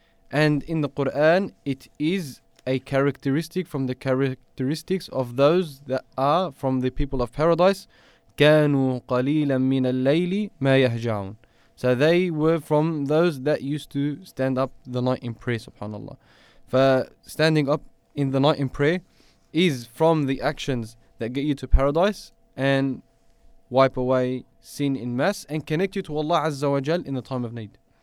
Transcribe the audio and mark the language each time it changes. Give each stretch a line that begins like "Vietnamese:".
English: And in the Quran, it is a characteristic from the characteristics of those that are from the people of paradise.
Arabic: كانوا قليلا من الليل ما يهجعون.
English: So they were from those that used to stand up the night in prayer, subhanAllah. For standing up in the night in prayer is from the actions that get you to paradise and wipe away sin in mass and connect you to Allah Azza wa Jal in the time of need.